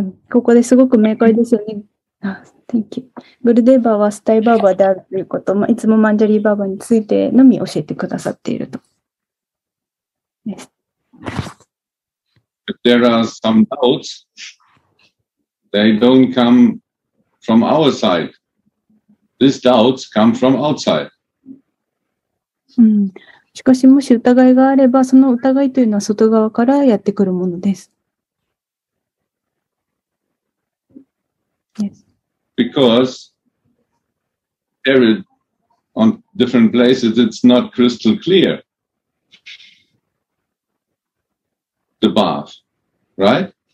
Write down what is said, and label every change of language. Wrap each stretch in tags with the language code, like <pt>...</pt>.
<ja>ここですごく明快ですよね。</ja> <en>Thank you.</en> <ja>グルデーバーはスタイバーバーであるということも、いつもマンジャリーバーバーについてのみ教えてくださっていると。</ja> <en>Yes. If there are some doubts,They don't come from our side. These doubts come from outside.</en> <ja>しかしもし疑いがあれば、その疑いというのは外側からやってくるものです。</ja> <en>Yes. Because there is, on different places, it's not crystal clear. The bath, right?</en>